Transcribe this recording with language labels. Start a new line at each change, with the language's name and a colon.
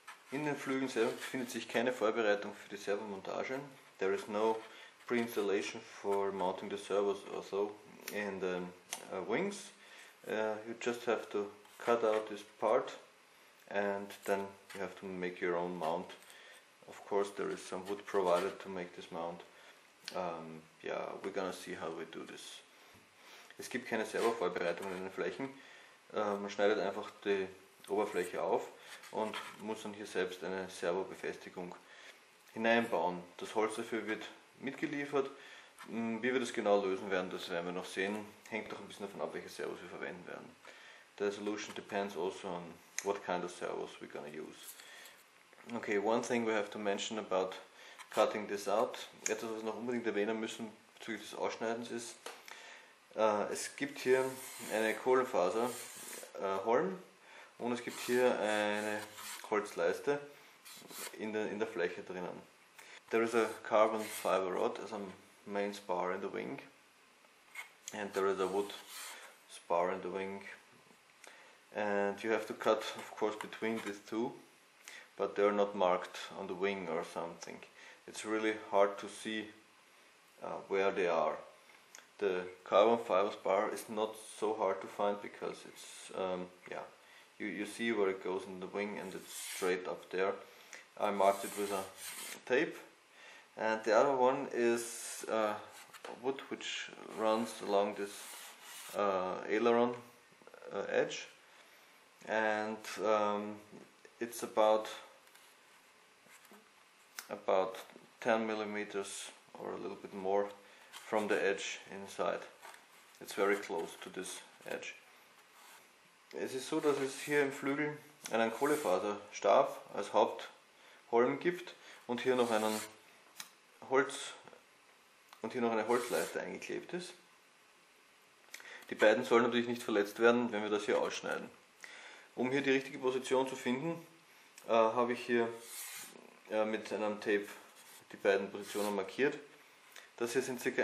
German: In den Flügen selbst befindet sich keine Vorbereitung für die Servomontage.
English: There is no pre-installation for mounting the servos or so in the wings. You just have to cut out this part and then you have to make your own mount. Of course there is some wood provided to make this mount. Yeah, we're gonna see how we do this.
German: Es gibt keine Servo-Vorbereitung in den Flächen. Man schneidet einfach die Oberfläche auf und muss dann hier selbst eine Servo-Befestigung hineinbauen. Das Holz dafür wird mitgeliefert. Wie wir das genau lösen werden, das werden wir noch sehen. Hängt doch ein bisschen davon ab, welche Servos wir verwenden werden.
English: The solution depends also on what kind of servos we're gonna use. Okay, one thing we have to mention about cutting this out.
German: Etwas, was wir noch unbedingt erwähnen müssen bezüglich des Ausschneidens ist, es gibt hier eine Kohlenfaserholm und es gibt hier eine Holzleiste in der Fläche drinnen.
English: There is a carbon fiber rod as a main spar in the wing and there is a wood spar in the wing and you have to cut of course between these two, but they are not marked on the wing or something. It's really hard to see where they are. The carbon fiber spar is not so hard to find because it's you see where it goes in the wing and it's straight up there. I marked it with a tape. And the other one is wood which runs along this aileron edge. And it's about 10 millimeters or a little bit more from the edge inside. It's very close to this edge.
German: Es ist so, dass es hier im Flügel einen Kohlefaserstab als Hauptholm gibt und hier noch einen Holz und hier noch eine Holzleiste eingeklebt ist. Die beiden sollen natürlich nicht verletzt werden, wenn wir das hier ausschneiden. Um hier die richtige Position zu finden, habe ich hier mit einem Tape die beiden Positionen markiert. Das hier sind ca.